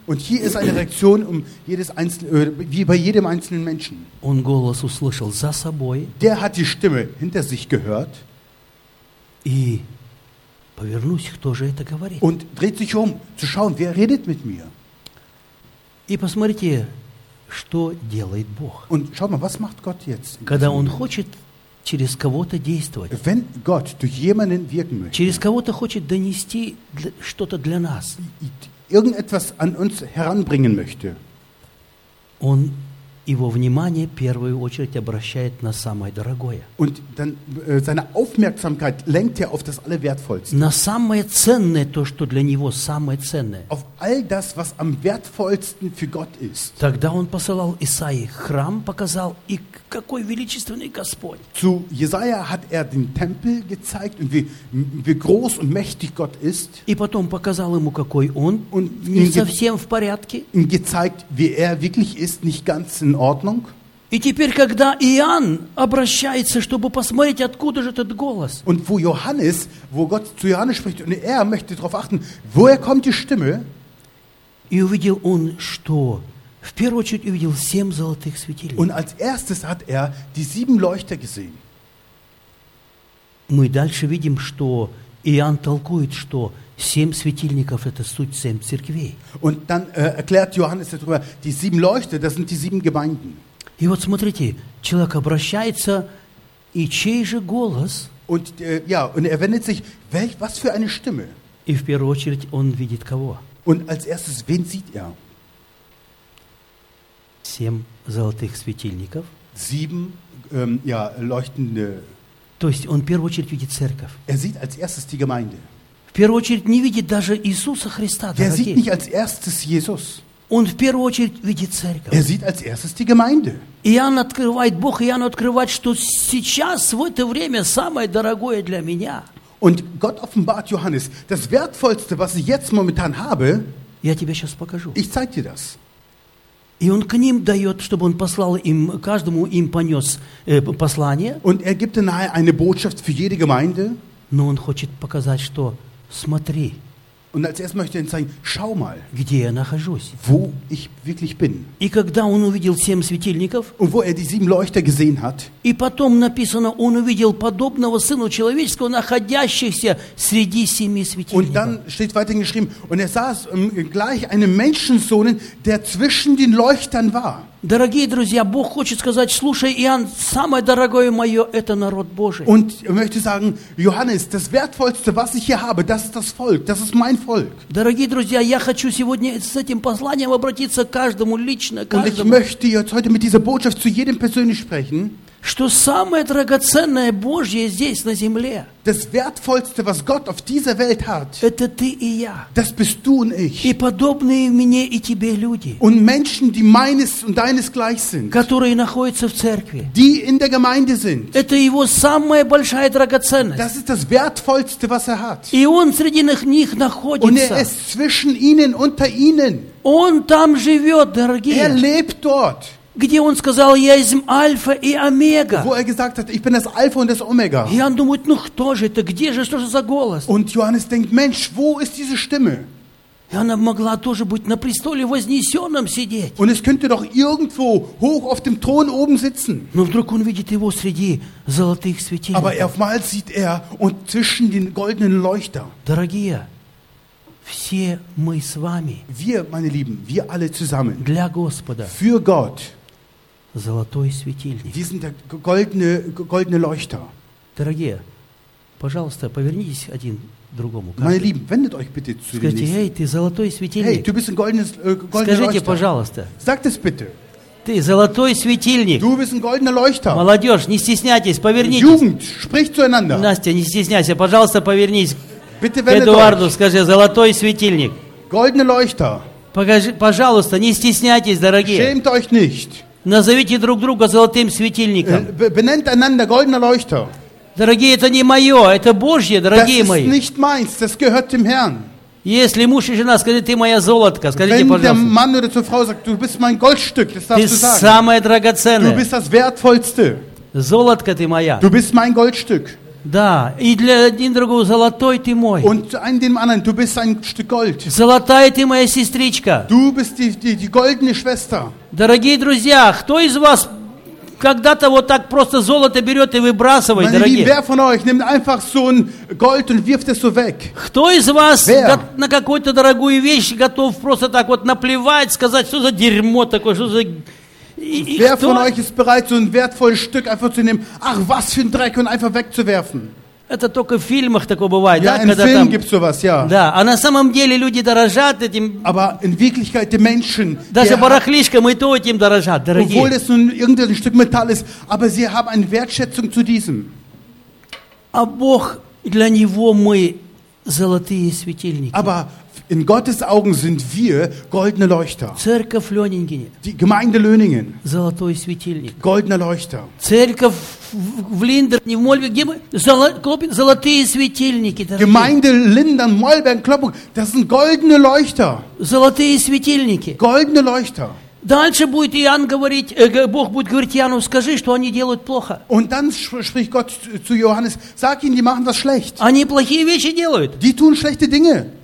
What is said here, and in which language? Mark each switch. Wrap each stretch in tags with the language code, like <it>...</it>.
<de>Und hier ist eine Reaktion wie bei jedem einzelnen Menschen.</de> <ru>Он голос услышал за собой.</ru> <de>Der hat die Stimme hinter sich gehört.</de> <ru>И повернусь, кто же это говорит.</ru> <de>Und dreht sich zu schauen, wer redet mit mir.</de> <ru>И посмотрите, что делает Бог.</ru> <de>Und schau mal, was macht Gott jetzt?</de> <ru>Когда Он хочет через кого-то действовать.</ru> <de>Wenn Gott durch jemanden wirken möchte.</de> <ru>Через кого-то хочет донести что-то для нас.</ru> <de>Irgendetwas an uns heranbringen möchte.</de> <ru>Он его внимание в первую очередь обращает на самое дорогое.</ru> <de>Und dann seine Aufmerksamkeit lenkt er auf das Allerwertvollste.</de> <ru>На самое ценное, то, что для него самое ценное.</ru> <de>Auf all das, was am wertvollsten für Gott ist.</de> <ru>Тогда он посылал Исаии, храм показал, и какой величественный Господь.</ru> <de>Zu Jesaja hat den Tempel gezeigt und wie groß und mächtig Gott ist.</de> <ru>И потом показал ему, какой он</ru> <de>und</de> <ru>не совсем в порядке.</ru> <de>Und gezeigt, wie wirklich ist, nicht ganz in Ordnung.</de> <ru>И теперь, когда Иоанн обращается, чтобы посмотреть, откуда же этот голос.</ru> <de>Und wo Johannes, wo Gott zu Johannes spricht und möchte darauf achten, woher kommt die Stimme?</de> <ru>И увидел он, что в первую очередь увидел семь золотых светильников.</ru> <de>Und als erstes hat die sieben Leuchter gesehen.</de> <ru>Мы дальше видим, что Иоанн толкует, что семь светильников – это суть семь церквей.</ru> <de>Und dann erklärt Johannes darüber, die sieben Leuchter, das sind die sieben Gemeinden.</de> <ru>И вот смотрите, человек обращается, и чей же голос?</ru> <de>Und und wendet sich, was für eine Stimme?</de> <ru>И в первую очередь он видит кого?</ru> <de>Und als erstes, wen sieht</de> <ru>Семь золотых светильников.</ru> <de>Sieben, leuchtende.</de> <ru>То есть он в первую очередь видит церковь.</ru> <de>Er sieht als erstes die Gemeinde.</de> <ru>В первую очередь не видит даже Иисуса Христа.</ru> <de>Er sieht nicht als erstes Jesus.</de> <ru>Он в первую очередь видит церковь.</ru> <de>Er sieht als erstes die Gemeinde.</de> <ru>Иоанн открывает, Бог Иоанн открывает, что сейчас, в это время, самое дорогое для меня.</ru> <de>Und Gott offenbart Johannes, das Wertvollste, was ich jetzt momentan habe,</de> <ru>я тебе сейчас покажу.</ru> <de>Ich zeig dir das.</de> <ru>И он к ним дает, чтобы он послал им, каждому им понес послание.</ru> <de>Und gibt nahe eine Botschaft für jede Gemeinde.</de> <ru>Но он хочет показать, что смотри.</ru> <de>Und als erstes möchte er sagen, schau mal,</de> <ru>где я нахожусь.</ru> <de>Wo ich wirklich bin.</de> <ru>И когда он увидел семь светильников,</ru> <de>und wo die sieben Leuchter gesehen hat,</de> <ru>и потом написано, он увидел подобного Сына Человеческого, находящегося среди семи светильников.</ru> <de>Und dann steht weiterhin geschrieben, und saß gleich einem Menschensohn, der zwischen den Leuchtern war.</de> <ru>Дорогие друзья, Бог хочет сказать, слушай, Иоанн, самое дорогое мое, это народ Божий.</ru> <de>Und möchte sagen, Johannes, das Wertvollste, was ich hier habe, das ist das Volk, das ist mein Volk.</de> <ru>Дорогие друзья, я хочу сегодня с этим посланием обратиться к каждому лично, каждому.</ru> <de>Und ich möchte jetzt heute mit dieser Botschaft zu jedem persönlich sprechen.</de> <ru>Что самое драгоценное Божье здесь, на земле.</ru> <de>Das Wertvollste, was Gott auf dieser Welt hat.</de> <ru>Это ты и я.</ru> <de>Das bist du und ich.</de> <ru>И подобные мне и тебе люди.</ru> <de>Und Menschen, die meines und deinesgleich sind.</de> <ru>Которые находятся в церкви.</ru> <de>Die in der Gemeinde sind.</de> <ru>Это его самая большая драгоценность.</ru> <de>Das ist das Wertvollste, was hat.</de> <ru>И он среди них находится.</ru> <de>Und ist zwischen ihnen, unter ihnen.</de> <ru>Он там живет, дорогие.</ru> <de>Er lebt dort.</de> <ru>Где он сказал, я из Альфа и Омега.</ru> <de>Wo gesagt hat, ich bin das Alpha und das Omega.</de> <ru>И он думает, ну кто же это, где же, что же за голос?</ru> <de>Und Johannes denkt, Mensch, wo ist diese Stimme?</de> <ru>И она могла тоже быть на престоле вознесенном сидеть.</ru> <de>Und es könnte doch irgendwo hoch auf dem Thron oben sitzen.</de> <ru>Но вдруг он видит его среди золотых светильников.</ru> <de>Aber auf einmal sieht und zwischen den goldenen Leuchter.</de> <ru>Дорогие, все мы с вами.</ru> <de>Wir, meine Lieben, wir alle zusammen.</de> <ru>Для Господа.</ru> <de>Für Gott.</de> <ru>Золотой светильник.</ru> <de>Wir sind der goldene Leuchter.</de> <ru>Дорогие, пожалуйста, повернитесь один другому. Каждый.</ru> <de>Meine Lieben, wendet euch bitte zu den nächsten.</de> <ru>Скажите, эй, ты золотой светильник.</ru> <de>Hey, du bist ein goldenes Leuchter.</de> <ru>Скажите, пожалуйста.</ru> <de>Sag das bitte.</de> <ru>Ты золотой светильник.</ru> <de>Du bist ein goldener Leuchter.</de> <ru>Молодежь, не стесняйтесь, повернитесь.</ru> <de>Jugend, sprich zueinander.</de> <ru>Настя, не стесняйся, пожалуйста, повернись.</ru> <de>Bitte wendet</de> <ru>Эдуарду,</ru> <de>euch.</de> <ru>Скажи, золотой светильник.</ru> <de>Goldene Leuchter.</de> <ru>Покажи, пожалуйста, не стесняйтесь, дорогие.</ru> <de>Schämt euch nicht.</de> <ru>Назовите друг друга золотым светильником.</ru> <de>Benennt einander goldener Leuchter.</de> <ru>Дорогие, это не мое, это Божье, дорогие мои.</ru> <de>Das ist nicht meins, das gehört dem Herrn.</de> <ru>Если муж и жена, скажите, ты моя золотка, скажите,</ru> <de>wenn</de> <ru>пожалуйста.</ru> <de>Wenn der Mann oder zur Frau sagt, du bist mein Goldstück, das darfst du sagen.</de> <ru>Ты самое драгоценное.</ru> <de>Du bist das Wertvollste.</de> <ru>Золотка ты моя.</ru> <de>Du bist mein Goldstück.</de> <ru>Да, и для один другого золотой ты мой.</ru> <de>Und ein dem anderen, du bist ein Stück Gold.</de> <ru>Золотая ты моя сестричка.</ru> <de>Du bist die goldene Schwester.</de> <ru>Дорогие друзья, кто из вас когда-то вот так просто золото берет и выбрасывает,</ru> <de>Meine</de> <ru>дорогие.</ru> <de>Lieben, wer von euch nimmt einfach so ein Gold und wirft es so weg?</de> <ru>Кто из вас на какую-то дорогую вещь готов просто так вот наплевать, сказать, что за дерьмо такое, что за...</ru> <de>Wer von euch ist bereit, so ein wertvolles Stück einfach zu nehmen? Ach, was für ein Dreck, und einfach wegzuwerfen.</de> <ru>Это только в фильмах такое бывает,</ru> <de>ja,</de> <ru>да?</ru> <de>Ja, in Filmen gibt's sowas, ja.</de> <ru>Да, а на самом деле люди дорожат этим.</ru> <de>Aber in Wirklichkeit die Menschen.</de> <ru>Даже барахлишко мы то этим дорожат, дорогие.</ru> <de>Obwohl es nur irgendein Stück Metall ist, aber sie haben eine Wertschätzung zu diesem.</de> <ru>А Бог для него мы золотые светильники.</ru> <de>Aber in Gottes Augen sind wir goldene Leuchter.</de> <ru>Церковь Лёнингене.</ru> <de>Die Gemeinde Löningen.</de> <ru>Золотой светильник.</ru> <de>Goldener Leuchter.</de> <ru>Церковь в Линдерне, в Мольберге, где мы? Золотые светильники.</ru> <de>Gemeinde Lindern, Mollberg, Kloppenburg, das sind goldene Leuchter.</de> <ru>Золотые светильники.</ru> <de>Goldene Leuchter.</de> <ru>Дальше будет Иоанн говорить, Бог будет говорить Иоанну, скажи, что они делают плохо.</ru> <de>Und dann spricht Gott zu Johannes, sag ihnen, die machen was schlecht.</de> <ru>Они плохие вещи делают.</ru> <de>Die tun schlechte Dinge.</de>